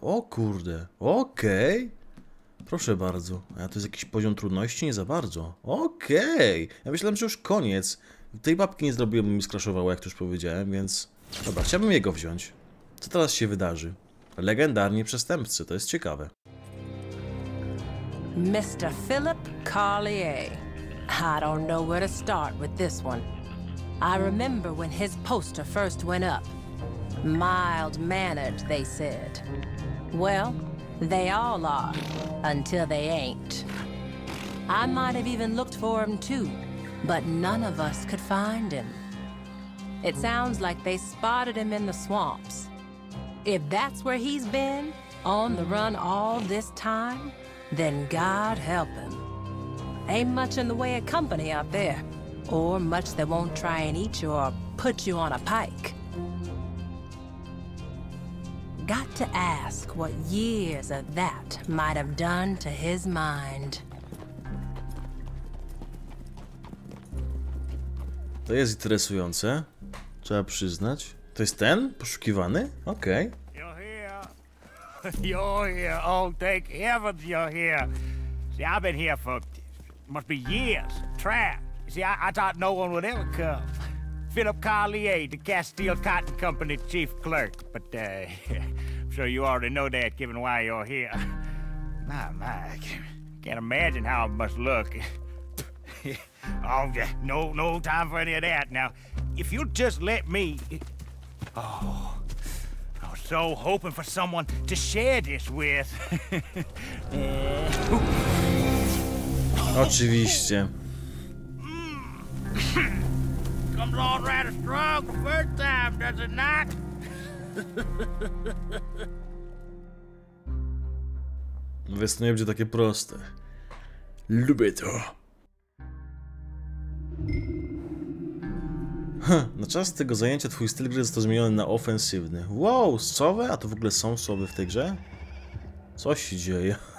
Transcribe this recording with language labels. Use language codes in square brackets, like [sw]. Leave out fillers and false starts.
[pl] O kurde. Okej. Okay. Proszę bardzo. A to jest jakiś poziom trudności? Nie za bardzo. Okej. Okay. Ja myślałem, że już koniec. Tej babki nie zrobiłem, bo mi skraszowało, jak to już powiedziałem, więc... Dobra, chciałbym jego wziąć. Co teraz się wydarzy? Legendarni przestępcy. To jest ciekawe. [en] Mr. Philip Carlier. I don't know where to start with this one. I remember when his poster first went up. Mild-mannered, they said. Well, they all are, until they ain't. I might have even looked for him too, but none of us could find him. It sounds like they spotted him in the swamps. If that's where he's been, on the run all this time, then God help him. Ain't much in the way of company out there, or much that won't try and eat you or put you on a pike. Got to ask what years of that might have done to his mind. [pl] To jest interesujące, trzeba przyznać. To jest ten poszukiwany? Okej. Okay. [en] You're here. You're here. Oh, thank heavens you're here. See, I've been here for must be years. Trapped. See, I thought no one would ever come. Philip Carlier, the Castile Cotton Company chief clerk, but I'm sure you already know that, given why you're here. My, can't imagine how it must look. Oh, no time for any of that. Now, if you'll just let me... Oh, I was so hoping for someone to share this with. [pl] Oczywiście. [en] Comes on rather strong the first time, does it not? [pl] Więc to nie będzie takie proste. Lubię to. Na czas tego zajęcia twój styl gry został zmieniony na ofensywny. Wow, sowy? A to w ogóle są sowy w tej grze? Co się dzieje?